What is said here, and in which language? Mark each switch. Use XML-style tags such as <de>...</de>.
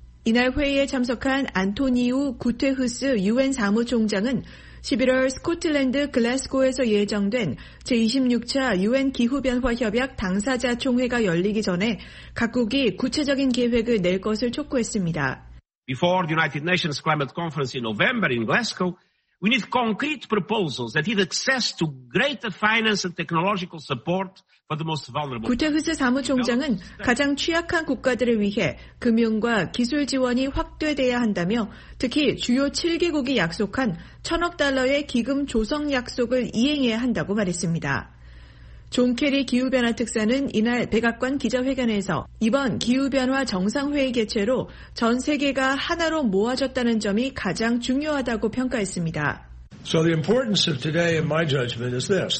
<ko>이날 회의에 참석한 안토니우 구테흐스 UN 사무총장은 11월 스코틀랜드 글래스고에서 예정된 제26차 UN 기후변화협약 당사자 총회가 열리기 전에 각국이 구체적인 계획을 낼 것을 촉구했습니다.</ko> <en>Before the United Nations Climate Conference in November in Glasgow, we need concrete proposals that give access to greater finance and technological support.</en> <ko>구테흐스 사무총장은 가장 취약한 국가들을 위해 금융과 기술 지원이 확대돼야 한다며 특히 주요 7개국이 약속한 1천억 달러의 기금 조성 약속을 이행해야 한다고 말했습니다. 존 케리 기후변화 특사는 이날 백악관 기자회견에서 이번 기후변화 정상회의 개최로 전 세계가 하나로 모아졌다는 점이 가장 중요하다고 평가했습니다.</ko> <en>So the importance of today in my judgment is this.</en>